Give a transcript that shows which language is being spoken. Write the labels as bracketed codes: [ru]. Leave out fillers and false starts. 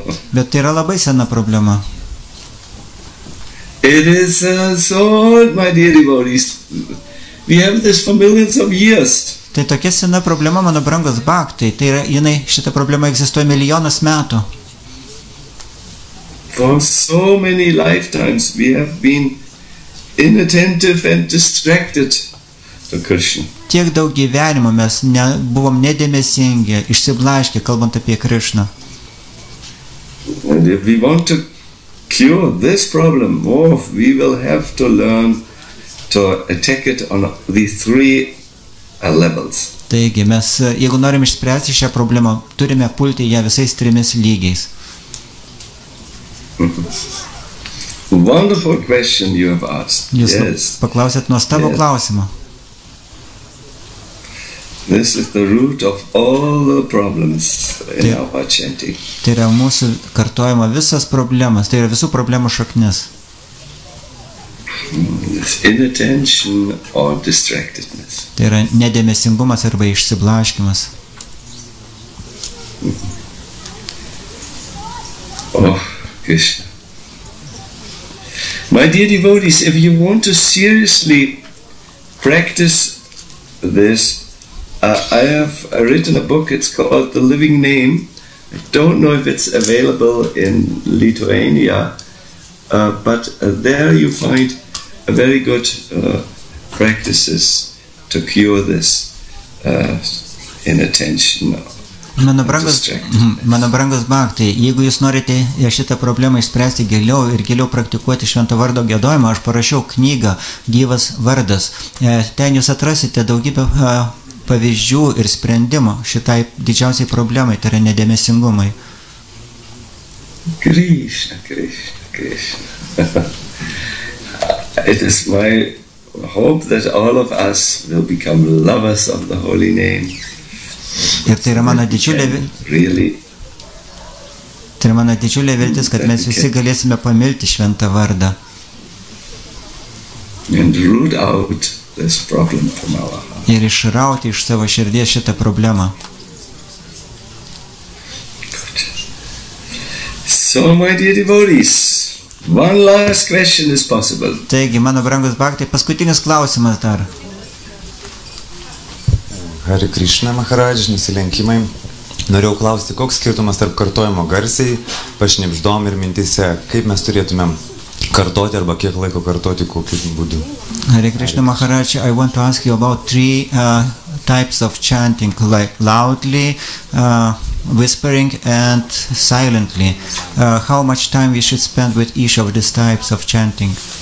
[lt] Bet tai yra labai sena problema. [en] It is so old, my dear devotees. We have this for millions of years. [lt] Tai tokia sena problema, mano brangos baktai. Tai yra, jinai, šita problema egzistuoja milijonas metų. [en] For so many lifetimes we have been inattentive and distracted to Krishna. [lt] Tiek daug gyvenimo mes buvom nedėmesingi, išsiblaškę, kalbant apie Krishna. [en] And if we want to cure this problem, oh, we will have to learn to attack it on these three levels. [lt] Taigi, mes, jeigu norim išspręsti šią problemą, turime pulti ją visais trimis lygiais. [en] Wonderful question you have asked. [lt] Jūs paklausėt nuostabų klausimą. [en] This is the root of all the problems in our chanting. [lt] Tai yra mūsų kartojama visas problemas, tai yra visų problemų šaknis. [en] Inattention or distractedness. [lt] Tai yra nedėmesingumas arba išsiblaškimas. [en] Oh, Krishna. My dear devotees, if you want to seriously practice this, I have written a book, it's called The Living Name. I don't know if it's available in Lithuania, but there you find a very good practices to cure this inattention. [lt] Mano brangus Bhakti, jeigu jūs norite šitą problemą išspręsti giliau ir giliau praktikuoti švento vardo gėdojimą, aš parašiau knygą Gyvas vardas. Ten jūs atrasite daugybę pavyzdžių ir sprendimų šitai didžiausiai problemai, tai yra nedėmesingumai. Krishna, Krishna, Krishna. [en] It is my hope that all of us will become lovers of the holy name. [lt] Ir tai yra mano didžiulė viltis, kad mes visi galėsime pamilti šventą vardą. [en] And root out this problem from our heart. [lt] Ir išrauti iš savo širdies šitą problemą. [en] Good. So, my dear devotees, one last question is possible. [lt] Taigi, mano brangus Bhakti, paskutinis klausimas dar. Hare Krishna Maharaj, nusilenkimai. Norėjau klausti, koks skirtumas tarp kartojimo garsiai, pašnipždom ir mintyse, kaip mes turėtumėm kartoti arba kiek laiko kartoti, kokiu būdu. [en] Hare Krishna Maharaj, I want to ask you about three types of chanting, like loudly, whispering and silently. How much time we should spend with each of these types of chanting?